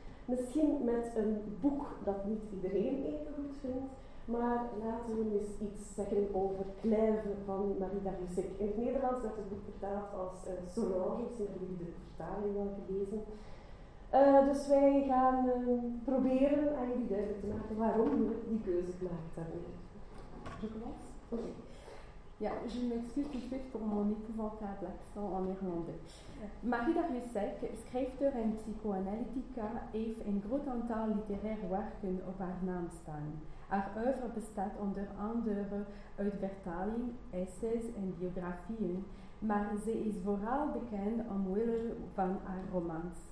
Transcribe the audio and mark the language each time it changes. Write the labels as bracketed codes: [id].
[nl] Misschien met een boek dat niet iedereen even goed vindt, maar laten we eens iets zeggen over Clève van Marie Taliesseck. In het Nederlands werd het boek vertaald als Solange, dus hebben jullie de vertaling wel gelezen. Dus wij gaan proberen aan jullie duidelijk te maken waarom we die keuze gemaakt hebben. Chocolat? Oké. [fr] Ja, je m'excuse tout de suite pour mon épouvantable accent en irlandais. [nl] Marie Taliesseck, schrijfster en psychoanalytica, heeft een groot aantal literaire werken op haar naam staan. Haar oeuvre bestaat onder andere uit vertaling, essays en biografieën, maar ze is vooral bekend omwille van haar romans.